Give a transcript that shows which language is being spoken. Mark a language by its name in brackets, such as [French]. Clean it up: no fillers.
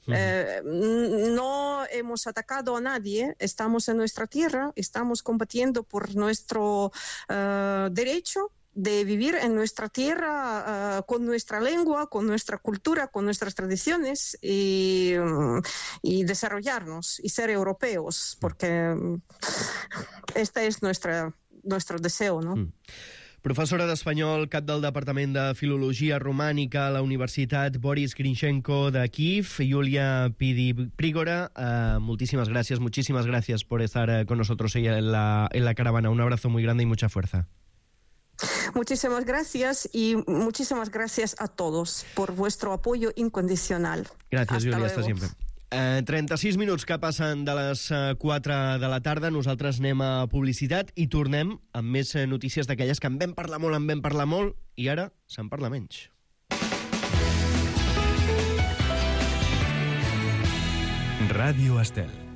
[Spanish] Uh-huh. No hemos atacado a nadie, estamos en nuestra tierra, estamos combatiendo por nuestro derecho, de vivir en nuestra tierra, con nuestra lengua, con nuestra cultura, con nuestras tradiciones y desarrollarnos y ser europeos, porque este es nuestro deseo, ¿no? Mm. [Catalan] Professora d'Espanyol, cap del Departament de Filologia Romànica a la Universitat Boris Grinchenko de Kiev, Yulia Pidi-Prigora, moltíssimes gràcies, moltíssimes gràcies per estar [Spanish] con nosotros en la caravana. Un abrazo muy grande y mucha fuerza. Muchísimas gracias y muchísimas gracias a todos por vuestro apoyo incondicional. Gracias, Yulia, hasta siempre. [Catalan] 36 minuts que passen de les 4 de la tarda. Nosaltres anem a publicitat i tornem amb més notícies d'aquelles que en vam parlar molt i ara se'n parla menys. Ràdio Estel.